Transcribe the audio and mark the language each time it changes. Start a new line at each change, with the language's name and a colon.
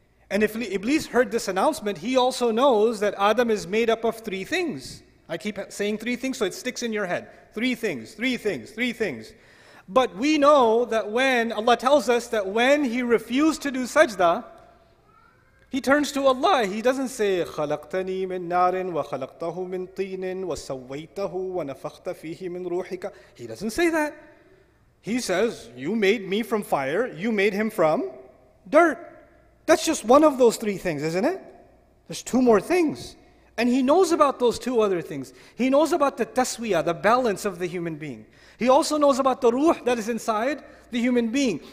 English: And if Iblis heard this announcement, he also knows that Adam is made up of three things. I keep saying three things so it sticks in your head. Three things, three things, three things. But we know that when Allah tells us that when he refused to do sajda, he turns to Allah. He doesn't say,
Arabic: خَلَقْتَنِي مِن نَارٍ وَخَلَقْتَهُ مِن طِينٍ وَسَوَّيْتَهُ وَنَفَخْتَ فِيهِ مِن رُوحِكَ.
English: He doesn't say that. He says, you made me from fire, you made him from dirt. That's just one of those three things, isn't it? There's two more things. And he knows about those two other things. He knows about the taswiya, the balance of the human being. He also knows about the ruh that is inside the human being.